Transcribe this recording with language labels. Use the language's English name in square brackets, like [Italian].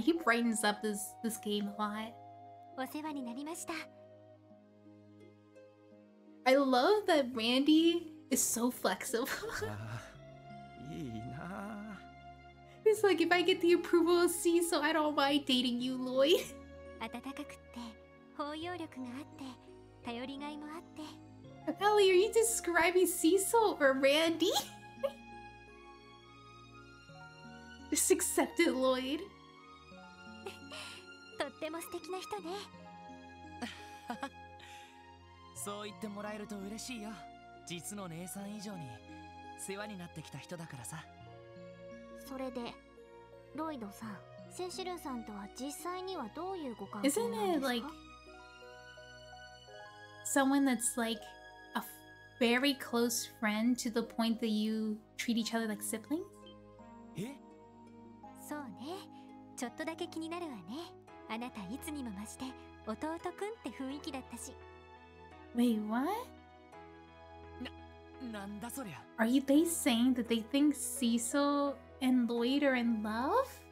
[English] He brightens up this game a lot. [Japanese] お世話になりました。 [English] I love that Randy is so flexible. [Japanese] いいな。 [English] He's like, if I get the approval of C, so I don't mind dating you, Lloyd. [Japanese] 温かくて包容力があって頼りがいもあって。 [English] Ellie, are you describing Cecil or Randy? Just accept it, Lloyd. [Japanese] とっても素敵な人ね。そう言ってもらえると嬉しいよ。実の姉さん以上に世話になってきた人だからさ。それで、ロイドさん、セシルさんとは実際にはどういうご関係なんですか？ [English] Isn't it like someone that's like... very close friend to the point that you treat each other like siblings? [Japanese] そうね。ちょっとだけ気になるわね。あなたいつにも増して弟くんって雰囲気だったし。 [English] Wait, what? [Japanese] なんだそりゃ。 [English] Are you they saying that they think Cecil and Lloyd are in love?